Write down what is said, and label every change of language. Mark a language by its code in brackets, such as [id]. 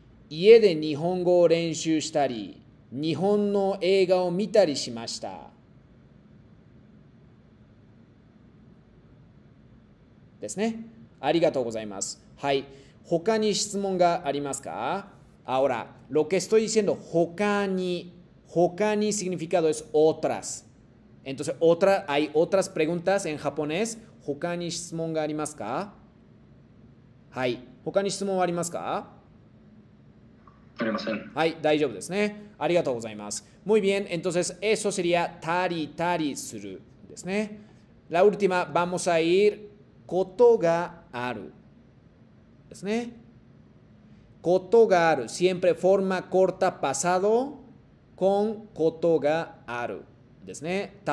[ja] 家で日本語を練習したり日本の映画を見たりしました。ですね。ありがとうございます。はい。他に質問がありますか？ [es] Ahora, lo que estoy diciendo, 他に significado es otras. Entonces, hay otras preguntas en japonés. [ja] 他に質問がありますか？はい。他に質問はありますか？ありません。はい、大丈夫ですね。ありがとうございます。 [es] Muy bien, entonces, eso sería tari tari suru. ですね。La última, vamos a ir... [ja] ことがあるですね。ことがある。 [es] Siempre forma corta pasado con ことがあるですね。